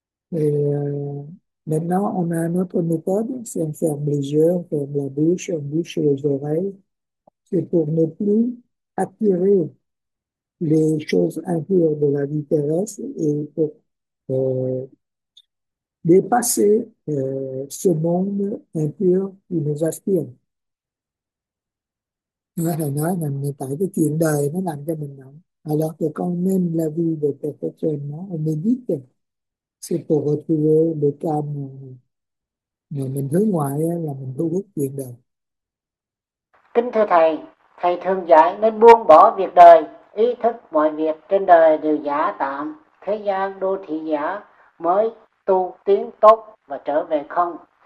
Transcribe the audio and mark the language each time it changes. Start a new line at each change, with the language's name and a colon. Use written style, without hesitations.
French: Maintenant, on a une autre méthode, c'est on ferme les yeux, on ferme la bouche, on bouche les oreilles. C'est pour ne plus attirer les choses impures de la vie terrestre et pour dépasser ce monde impur qui nous aspire.
Vietnamese: Là nói là tại cái chuyện đời nó làm cho mình động.
French: Alors que quand même la vie de perfectionnement, on médite, c'est pour retrouver le calme.
Vietnamese: Mà mình hướng ngoại là mình thu hút chuyện đời. Kính thưa Thầy, Thầy thường dạy nên buông bỏ việc đời, ý thức mọi việc trên đời đều giả tạm, thế gian đô thị giả mới tu tiến tốt và trở về không.